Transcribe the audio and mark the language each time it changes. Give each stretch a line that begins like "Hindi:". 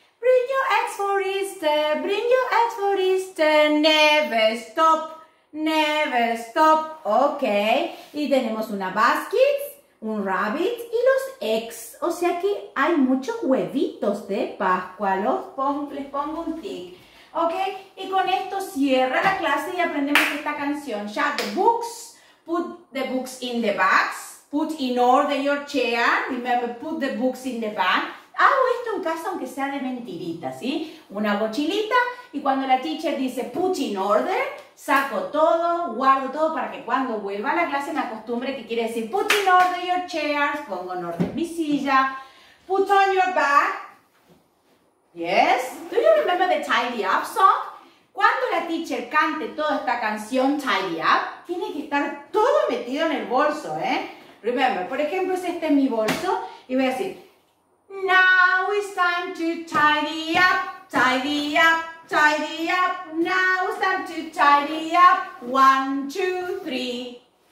English: Bring your eggs for Easter, bring your eggs for Easter, never stop, never stop.
Spanish: Ok, y tenemos una basket, un rabbit y los eggs, o sea que hay muchos huevitos de Pascua, les pongo un tic. Ok, y con esto cierra la clase y aprendemos esta canción.
English: Shut the books, put the books in the bags, put in order your chair, remember, put the books in the bag.
Spanish: Hago esto en casa aunque sea de mentirita, ¿sí? Una mochilita y cuando la teacher dice
English: put in order,
Spanish: saco todo, guardo todo para que cuando vuelva a la clase me acostumbre, que quiere decir
English: put in order your chairs,
Spanish: pongo en orden mi silla,
English: put on your bag. Yes, do you remember the Tidy Up song?
Spanish: Cuando la teacher cante toda esta canción Tidy Up, tiene que estar todo metido en el bolso, ¿eh?
English: Remember,
Spanish: por ejemplo, si este es mi bolso y voy a decir
English: now it's time to tidy up, tidy up, tidy up, now it's time to tidy up, one, two, three.